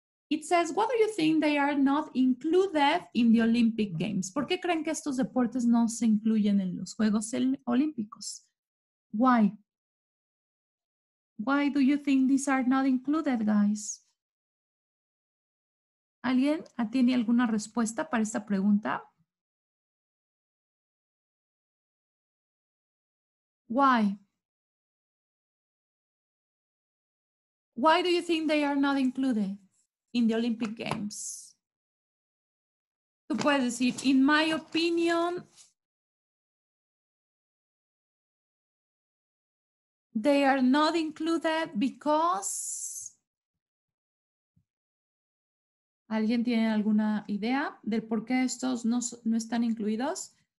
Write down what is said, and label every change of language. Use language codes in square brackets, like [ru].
[en] It says, what do you think they are not included in the Olympic Games? [es] ¿Por qué creen que estos deportes no se incluyen en los Juegos Olímpicos? [en] Why? Why do you think these are not included, guys? [es] ¿Alguien tiene alguna respuesta para esta pregunta? [en] Why? Why do you think they are not included in the Olympic Games? [es] Tú puedes decir, [en] in my opinion, they are not included because... [es] ¿Alguien tiene alguna idea del por qué estos no están incluidos?